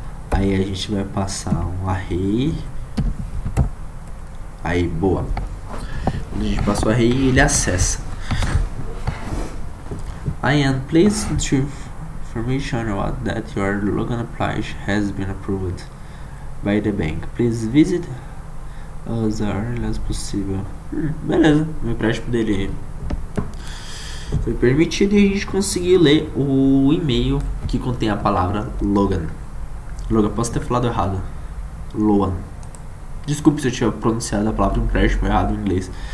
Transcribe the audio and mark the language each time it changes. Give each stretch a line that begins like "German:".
Portuguese: Aí a gente vai passar um array. Aí, boa. A gente passa o array e ele acessa.
English: I am pleased to information that your login application has been approved by the bank. Please visit us as early as possível.
Portuguese: Beleza, o empréstimo dele foi permitido e a gente conseguiu ler o e-mail que contém a palavra Logan. Logan, posso ter falado errado. Loan. Desculpe se eu tiver pronunciado a palavra empréstimo errado em inglês.